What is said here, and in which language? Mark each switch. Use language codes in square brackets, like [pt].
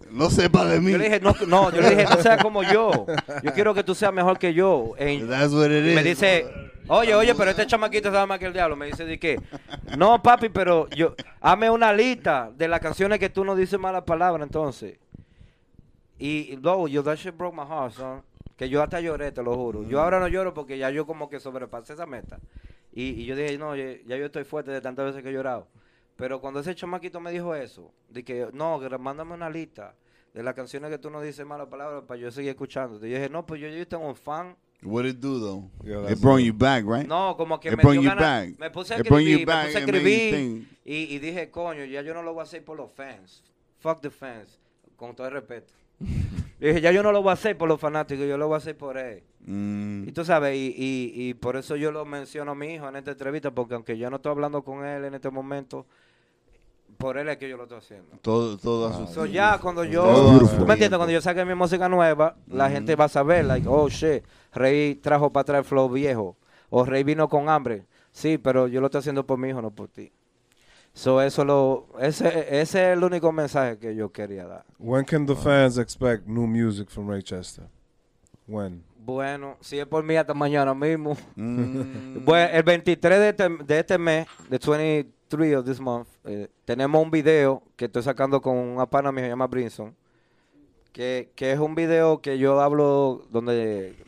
[es] No sepa de mí. Yo le dije, no, no seas como yo. Yo quiero que tú seas mejor que yo. [en] And that's what it [es] me Me dice... Oye, pero este chamaquito sabe más que el diablo. Me dice, ¿de qué? No, papi, pero yo... Hazme una lista de las canciones que tú no dices malas palabras, entonces. Y, yo [en] that shit broke my heart, son. [es] Que yo hasta lloré, te lo juro. Yo ahora no lloro porque ya yo como que sobrepasé esa meta. Y yo dije, no, ya yo estoy fuerte de tantas veces que he llorado. Pero cuando ese chamaquito me dijo eso, de que, no, mándame una lista de las canciones que tú no dices malas palabras para yo seguir escuchando. Yo dije, no, pues yo tengo un fan. [en] What did it do, though? It brought you back, right? [es] No, como que me dio ganas. Me puse a escribir. Y dije, coño, ya yo no lo voy a hacer por los fans. [en] Fuck the fans. [es] Con todo el respeto. Dije, ya yo no lo voy a hacer por los fanáticos. Yo lo voy a hacer por él. Y tú sabes, y por eso yo lo menciono a mi hijo en esta entrevista. Porque aunque yo no estoy hablando con él en este momento, por él es que yo lo estoy haciendo. Todo eso. Wow. Ya cuando yo... Todo, ¿tú me entiendes? Cuando yo saque mi música nueva, la gente va a saber, [en] like, oh, shit. [es] Rey trajo para atrás el flow viejo. O Rey vino con hambre. Sí, pero yo lo estoy haciendo por mi hijo, no por ti. Ese es el único mensaje que yo quería dar. [en] When can the fans expect new music from Reychesta? When? [es] Bueno, si es por mí, hasta mañana mismo. Bueno, el 23 de este mes, [en] the 23 of this month, [es] tenemos un video que estoy sacando con un pana mío, se llama Brinson, que es un video que yo hablo donde...